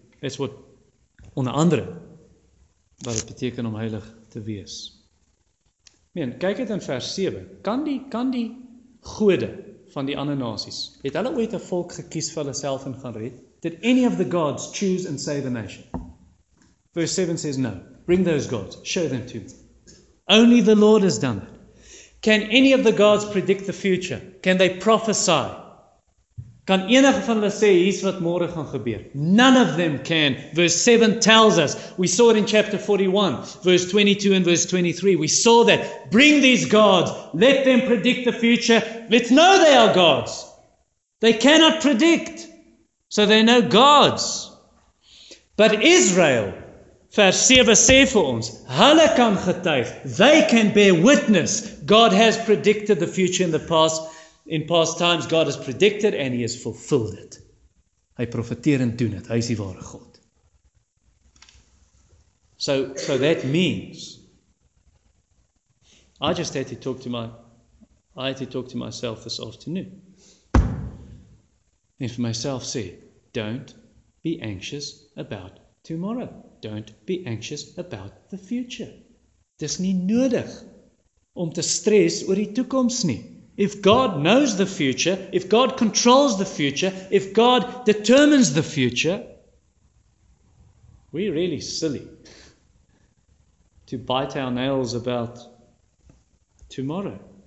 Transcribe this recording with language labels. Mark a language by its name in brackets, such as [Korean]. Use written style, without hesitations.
[English] That's what, [Afrikaans] onder andere, wat het beteken om heilig te wees. Mien, kyk het in vers 7. Kan die gode van die ander nasies, het hulle ooit 'n volk gekies vir hulle self en gaan red? [English] Did any of the gods choose and save a nation? Verse 7 says no. Bring those gods. Show them to me. Only the Lord has done it. Can any of the gods predict the future? Can they prophesy? [Afrikaans] Kan enige van hulle sê, hier's wat môre gaan gebeur? [English] None of them can. Verse 7 tells us. We saw it in chapter 41, verse 22 and verse 23. We saw that. Bring these gods. Let them predict the future. Let's know they are gods. They cannot predict. So they know gods. But Israel, [Afrikaans] vers 7 sê vir ons, hulle kan getuig. [English] They can bear witness. God has predicted the future in the past. In past times, God has predicted and He has fulfilled it. [Afrikaans] Hy profeteer en doen het. Hy is die ware God. [English] So that means, I just had to talk to myself this afternoon. And for myself say, don't be anxious about tomorrow. Don't be anxious about the future. [Afrikaans] Dis nie nodig om te stres oor die toekoms nie. [English] If God knows the future, if God controls the future, if God determines the future, we're really silly to bite our nails about tomorrow.